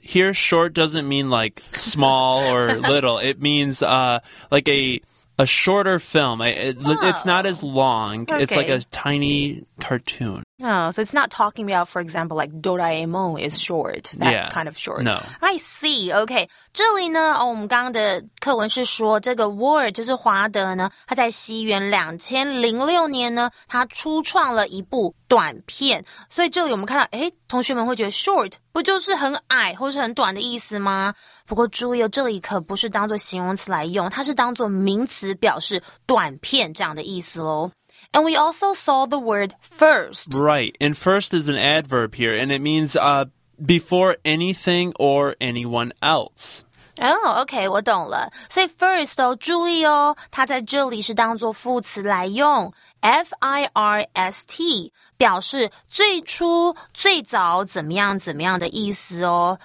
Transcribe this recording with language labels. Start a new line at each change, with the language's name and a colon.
English: Here, short doesn't mean like small or little. It means like a shorter film. It's not as long. Okay. It's like a tiny cartoon. Oh, so it's not talking about, for example, like Doraemon is short, kind of short. No. I see. Okay.
Chinese: 这里呢、哦、我们刚刚的课文是说这个 Ward 就是华德呢他在西元2006年呢他初创了一部短片。所以这里我们看到诶同学们会觉得 short 不就是很矮或是很短的意思吗？不过注意哦，这里可不是当作形容词来用，它是当作名词表示短片这样的意思咯。
English: And we also saw the word first. Right. And first is an adverb here, and it means before anything or anyone else. Oh, okay,
Chinese: 我懂了。所以 first 哦，注意哦，它在这里是当作副词来用 ,F-I-R-S-T, 表示最初、最早怎么样、怎么样的意思哦。